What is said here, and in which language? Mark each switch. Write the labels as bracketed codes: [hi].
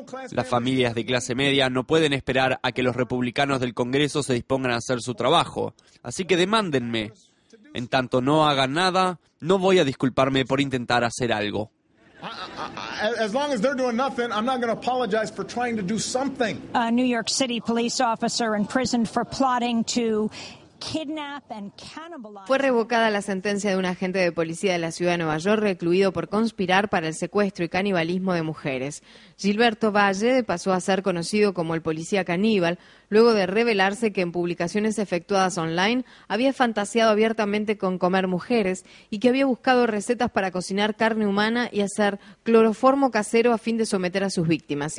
[es] Las familias de clase media no pueden esperar a que los republicanos del Congreso se dispongan a hacer su trabajo. Así que demándenme. En tanto no hagan nada, no voy a disculparme por intentar hacer algo. [en] As long as they're doing nothing, I'm not going to apologize for trying to do something. A New York City police officer imprisoned for plotting to kidnap and cannibalize. [es] Fue revocada la sentencia de un agente de policía de la ciudad de Nueva York recluido por conspirar para el secuestro y canibalismo de mujeres. Gilberto Valle pasó a ser conocido como el policía caníbal luego de revelarse que en publicaciones efectuadas online había fantaseado abiertamente con comer mujeres y que había buscado recetas para cocinar carne humana y hacer cloroformo casero a fin de someter a sus víctimas.